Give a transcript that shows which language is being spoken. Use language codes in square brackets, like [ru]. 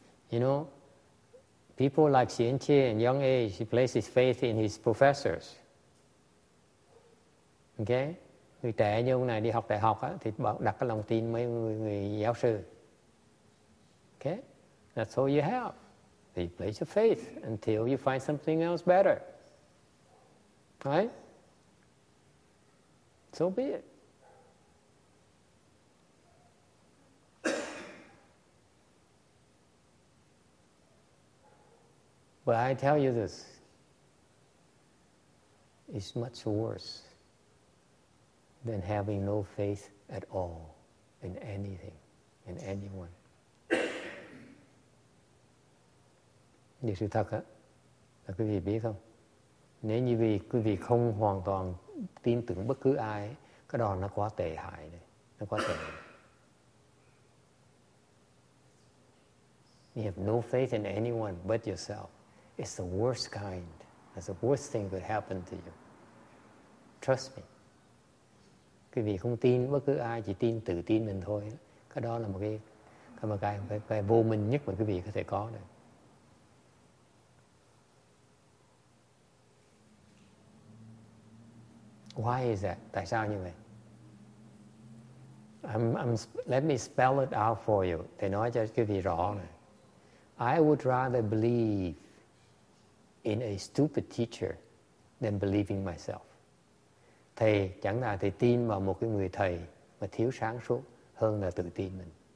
[en] You know, people like Xian Qie in young age, he places his faith in his professors. Okay? [vi] Người trẻ như ông này đi học đại học á, thì đặt cái lòng tin mấy người giáo sư. [en] Okay? That's all you have. So you place your faith until you find something else better. Right? So be it. But I tell you this, it's much worse than having no faith at all in anything, in anyone. [vi] Điều sự thật á, là quý vị biết không? Nếu như vì quý vị không hoàn toàn tin tưởng bất cứ ai, cái đó nó quá tệ hại đấy. Nó quá tệ hại. [en] You have no faith in anyone but yourself. It's the worst kind. That's the worst thing that happened to you. Trust me. [vi] Quý vị không tin bất cứ ai, chỉ tin tự tin mình thôi. Cái đó là một cái vô minh nhất mà quý vị có thể có đấy. [en] Why is that? [vi] Tại sao như vậy? [en] Let me spell it out for you. [vi] Để nói cho quý vị rõ này. [en] I would rather believe in a stupid teacher than believing myself. [vi] Thầy, chẳng là thầy tin vào một cái người thầy mà thiếu sáng suốt hơn là tự tin mình.